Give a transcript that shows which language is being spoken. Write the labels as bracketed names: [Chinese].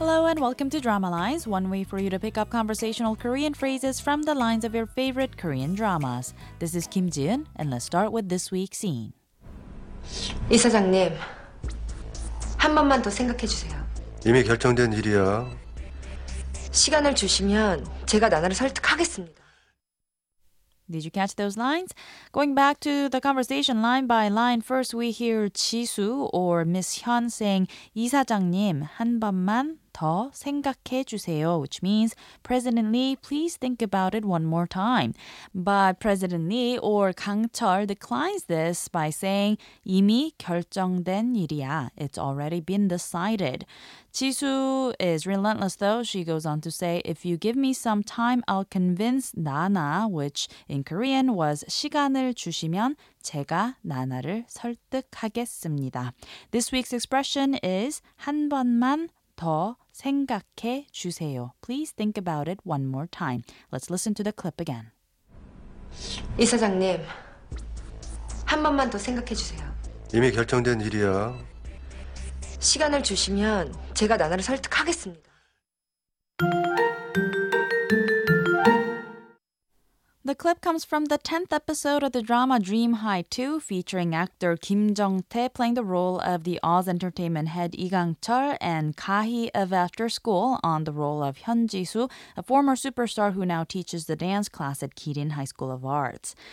[English] and welcome to Drama Lines, one way for you to pick up conversational Korean phrases from the lines of your favorite Korean dramas. This is Kim Jin, and let's start with this week's scene. [Korean] 이사장님, 한 번만 더 생각해 주세요. 이미 결정된 일이야. 시간을 주시면 제가 나나를 설득하겠습니다. [English] Did you catch those lines? Going back to the conversation line by line, first we hear Jisoo or Miss Hyun saying, [Korean] 이사장님, 한 번만 더 생각해 주세요, [English] which means President Lee, please think about it one more time. But President Lee or Kang Chul declines this by saying, [Korean] 이미 결정된 일이야. [English] It's already been decided. Jisoo is relentless though. She goes on to say, if you give me some time, I'll convince Nana, which in Korean was [Korean] 시간을 주시면 제가 나나를 설득하겠습니다. [English] This week's expression is [Korean] 한 번만 더 생각해 주세요. [English] Please think about it one more time. Let's listen to the clip again. [Korean] 이사장님, 한 번만 더 생각해 주세요. 이미 결정된 일이야. 시간을 주시면 제가 나나를 설득하겠습니다. [English] The clip comes from the 10th episode of the drama Dream High 2, featuring actor Kim Jong-tae playing the role of the Oz Entertainment head Lee Kang-chul and Ka-hee of After School on the role of Hyun Ji-soo, a former superstar who now teaches the dance class at Kirin High School of Arts.